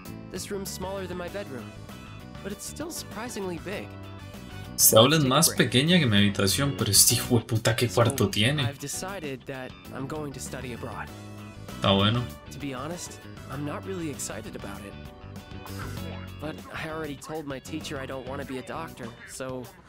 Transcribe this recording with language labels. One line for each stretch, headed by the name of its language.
English: This room's smaller than my bedroom, but it's still surprisingly big.
Spanish: Esta aula es más pequeña que mi habitación, pero este hijo de puta, ¿qué cuarto tiene?
English: I've decided that I'm going to study abroad.
Spanish: Está bueno.
English: To be honest, I'm not really excited about it. But I already told my teacher I don't want to be a doctor, so...